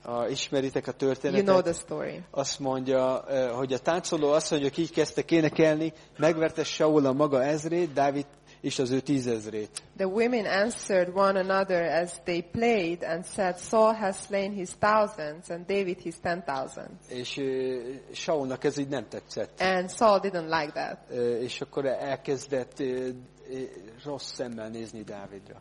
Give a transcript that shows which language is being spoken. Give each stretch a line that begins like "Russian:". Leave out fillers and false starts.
Hungarian: Ismeritek a történetet?
English: You know the story.
Hungarian: Azt mondja, hogy a táncoló asszonyok így kezdtek énekelni, megverte Saul a maga ezrét, Dávid és az ő tízezrét.
English: The women answered one another as they played and said, Saul has slain his thousands and David his 10,000.
Hungarian: És Saulnak ez így nem tetszett.
English: And Saul didn't like that.
Hungarian: És akkor elkezdett rossz szemmel nézni Dávidra.